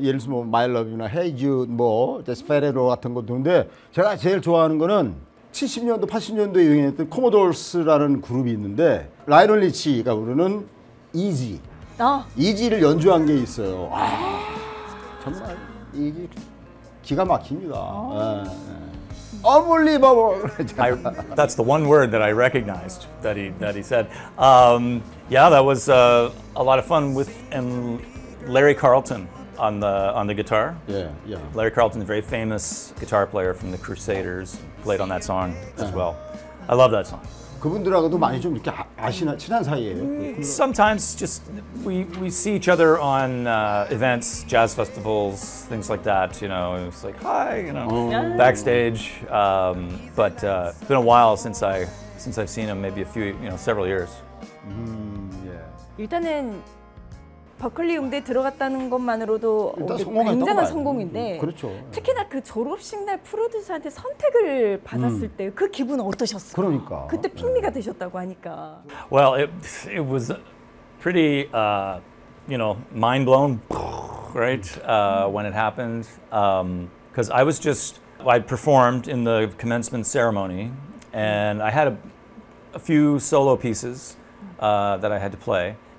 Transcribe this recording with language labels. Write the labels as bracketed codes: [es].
[ko] 예를 들어 My Love이나 Hey Jude, 뭐 스페레로 같은 것도 있는데 제가 제일 좋아하는 거는 70년도, 80년도에 유행했던 코모돌스라는 그룹이 있는데 라이널 리치가 부르는 Easy. 이지를 연주한 게 있어요. 아, 정말 이지 기가 막힙니다. [en] Unbelievable. That's the one word that I recognized that he said. Yeah, that was a lot of fun with and Larry Carlton on the guitar. Yeah, yeah. Larry Carlton, a very famous guitar player from the Crusaders, played on that song as well. I love that song. [ko] 그분들하고도 많이 좀 이렇게 아시나 친한 사이예요. [en] Sometimes just we see each other on events, jazz festivals, things like that. You know, it's like hi, you know, backstage. But it's been a while since I've seen him. Maybe a few, you know, several years. Yeah. [ko] 일단은 버클리 음대 들어갔다는 것만으로도 굉장한 성공인데, 그렇죠. 특히나 그 졸업식 날 프로듀서한테 선택을 받았을 때 그 기분 어떠셨어요? 그러니까 그때 핑미가 되셨다고 하니까. [en] Well, it was pretty, you know, mind blown, right? When it happened, because I was just I performed in the commencement ceremony, and I had a few solo pieces that I had to play.